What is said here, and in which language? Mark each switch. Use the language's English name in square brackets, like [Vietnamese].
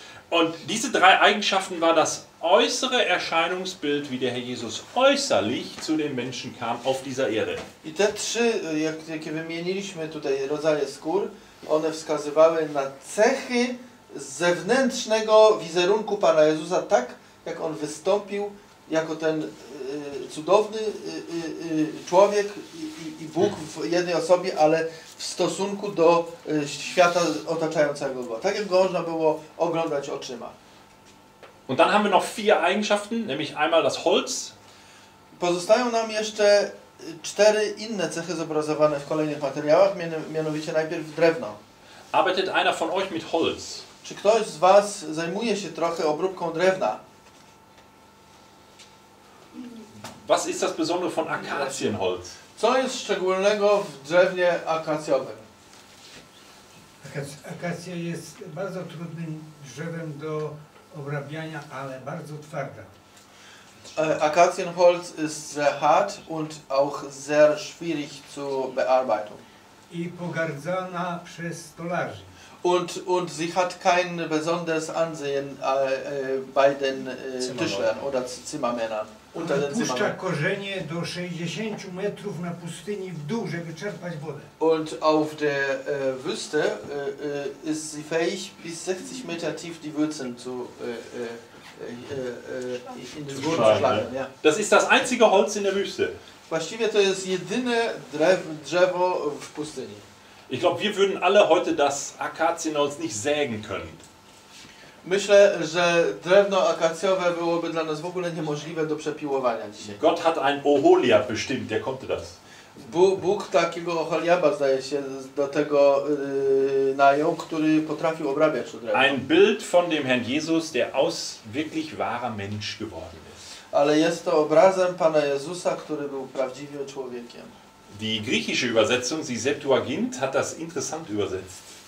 [German] Und diese drei Eigenschaften war das äußere Erscheinungsbild, wie der Herr Jesus äußerlich zu den Menschen kam auf dieser Erde. [Polish] I te trzy, jakie wymieniliśmy tutaj rodzaje skór, one wskazywały na cechy zewnętrznego wizerunku Pana Jezusa, tak jak on wystąpił jako ten cudowny człowiek i Bóg w jednej osobie, ale w stosunku do świata otaczającego go. Tak jak go można było oglądać oczyma. [German] Und dann haben wir noch vier Eigenschaften, nämlich einmal das Holz. [Polish] Pozostają nam jeszcze cztery inne cechy zobrazowane w kolejnych materiałach, mianowicie najpierw drewno. [German] Arbeitet einer von euch mit Holz? [Polish] Czy ktoś z was zajmuje się trochę obróbką drewna? [German] Was ist das Besondere von Akazienholz? [Polish] Co jest szczególnego w drewnie akacjowym? Akacja jest bardzo trudnym drzewem do obrabiania, ale bardzo twarda. [German] Akazienholz ist sehr hart und auch sehr schwierig zu bearbeiten. [Polish] I pogardzana przez stolarzy. [German] Und sie hat kein besonderes Ansehen bei den Tischlern oder Zimmermännern. [Polish] Wypuszcza korzenie do 60 metrów na pustyni w dół, żeby czerpać wodę. [German] Und auf der Wüste ist sie fähig bis 60 Meter tief die Wurzeln zu in den Boden zu schlagen. Das ist das einzige Holz in der Wüste. [Polish] Właściwie to jest jedyne drzewo w pustyni. [German] Ich glaube, wir würden alle heute das Akazienholz nicht sägen können. [Polish] Myślę, że drewno akacjowe byłoby dla nas w ogóle niemożliwe do przepiłowania dzisiaj. [German] Gott hat ein Oholiab bestimmt, der konnte das. [Polish] Bóg takiego Oholiaba, zdaje się, do tego najął, który potrafił obrabiać to drewno. [German] Ein Bild von dem Herrn Jesus, der aus wirklich wahrer Mensch geworden ist. [Polish] Ale jest to obrazem Pana Jezusa, który był prawdziwie człowiekiem. [German] Die griechische Übersetzung, die Septuagint, hat das interessant übersetzt.